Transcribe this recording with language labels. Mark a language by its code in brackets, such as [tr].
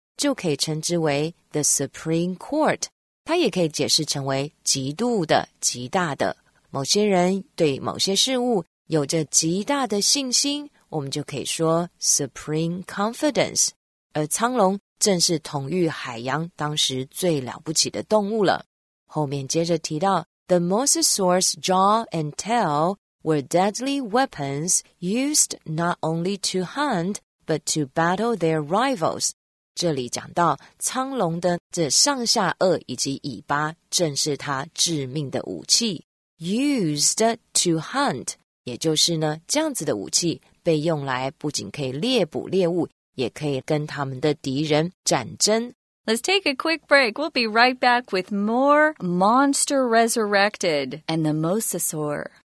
[zh] 就可以称之为 the Supreme Court， 它也可以解释成为极度的、极大的。某些人对某些事物有着极大的信心，我们就可以说 [en] Supreme Confidence。 [zh] 而苍龙正是统御海洋当时最了不起的动物了。后面接着提到 [en] ，the mosasaur's jaw and tail were deadly weapons used not only to hunt but to battle their rivals。 [zh] 这里讲到苍龙的这上下颚以及尾巴正是它致命的武器 [en] used to hunt， [zh] 也就是呢这样子的武器被用来不仅可以猎捕猎物，也可以跟他们的敌人战争。 [en] Let's take a quick break. We'll be right back with more Monster Resurrected and the Mosasaur.